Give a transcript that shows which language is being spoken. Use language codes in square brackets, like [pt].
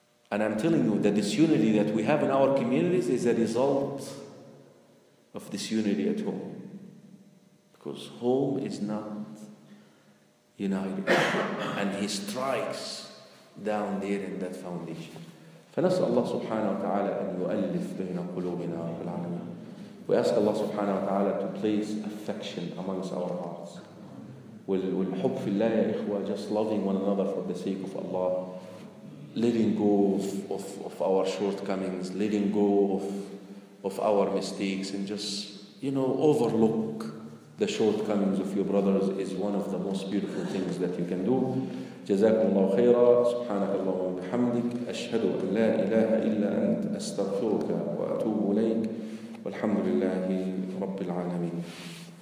[en] And I'm telling you, the disunity that we have in our communities is a result of disunity at home. Because home is not united. And he strikes down there in that foundation. [ar] فنسأل الله سبحانه وتعالى أن يؤلف بين قلوبنا والعالمين. [en] We ask Allah subhanahu wa ta'ala to place affection amongst our hearts. [ar] والحب في الله يا إخوة, [en] just loving one another for the sake of Allah. Letting go of our shortcomings, letting go of our mistakes, and just, you know, overlook the shortcomings of your brothers is one of the most beautiful things that you can do. [ar] جزاكم الله خيرا. سبحانك اللهم وبحمدك, أشهد أن لا إله إلا أنت, أستغفرك وأتوب إليك, والحمد لله رب العالمين.